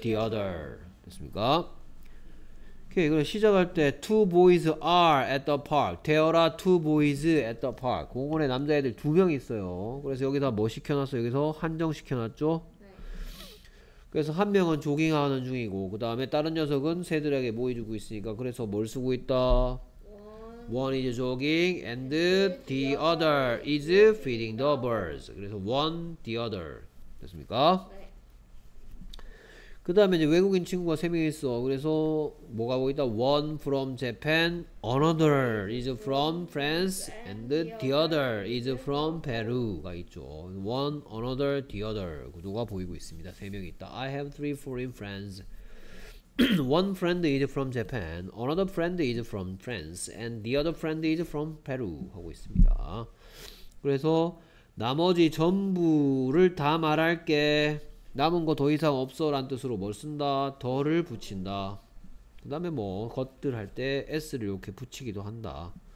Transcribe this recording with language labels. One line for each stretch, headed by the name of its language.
English: the other
Korean: 됐습니까? 오케이 그럼 시작할 때
English: two boys are at the park. There are two boys at the park.
Korean: 공원에 남자애들 두 명 있어요. 그래서 여기다 뭐 시켜놨어? 여기서 한정 시켜놨죠? 그래서 한 명은 조깅하는 중이고 그 다음에 다른 녀석은 새들에게 모여주고 있으니까 그래서 뭘 쓰고 있다?
English: One is jogging and the other is feeding the birds.
Korean: 그래서
English: one, the other
Korean: 됐습니까? 네. 그 다음에 이제 외국인 친구가 세 명 있어. 그래서 뭐가 하고 있다?
English: One from Japan, another is from France and the other is from Peru
Korean: 가 있죠.
English: One, another, the other
Korean: 구조가 보이고 있습니다. 세 명이 있다.
English: I have three foreign friends. One friend is from Japan, another friend is from France, and the other friend is from Peru
Korean: 하고 있습니다. 그래서 나머지 전부를 다 말할게. 남은 거 더 이상 없어 라는 뜻으로 뭘 쓴다? 더를 붙인다. 그 다음에 뭐 것들 할 때 S를 이렇게 붙이기도 한다.